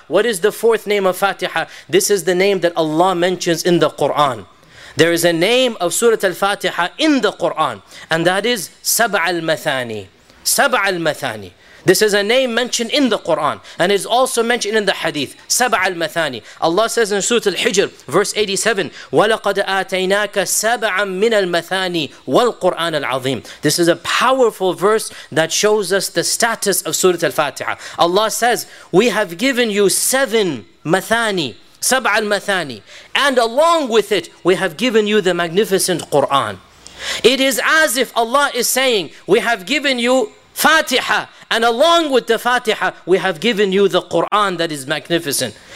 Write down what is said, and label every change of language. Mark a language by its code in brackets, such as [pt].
[en] What is the fourth name of Fatiha? This is the name that Allah mentions in the Quran. There is a name of Surah Al-Fatiha in the Quran. And that is Sab' al-Mathani. Sab' al-Mathani. This is a name mentioned in the Quran and is also mentioned in the Hadith. Sab' al-Mathani. Allah says in Surah Al-Hijr, verse 87, [ar] وَلَقَدْ آتَيْنَاكَ سَبْعًا مِنَ الْمَثَانِي وَالْقُرْآنَ الْعَظِيمِ. [en] This is a powerful verse that shows us the status of Surah Al-Fatiha. Allah says, we have given you seven mathani, sab' al-Mathani, and along with it, we have given you the magnificent Quran. It is as if Allah is saying, we have given you Fatiha, and along with the Fatiha, we have given you the Quran that is magnificent.